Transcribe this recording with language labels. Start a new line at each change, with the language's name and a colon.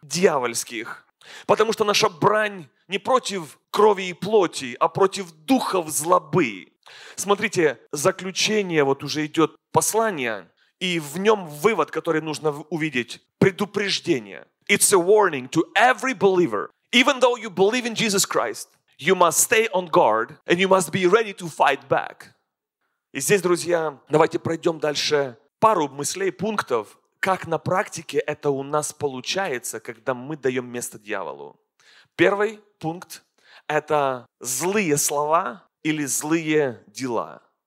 Russian: Дьявольских. Потому что наша брань не против крови и плоти, а против духов злобы. Смотрите, заключение, вот уже идет послание, и в нем вывод, который нужно увидеть, предупреждение.
English: It's a warning to every believer. Even though you believe in Jesus Christ, you must stay on guard and you must be ready to fight back.
Russian: И здесь, друзья, давайте пройдем дальше пару мыслей, пунктов, как на практике это у нас получается, когда мы даем место дьяволу. Первый пункт – это злые слова или злые дела.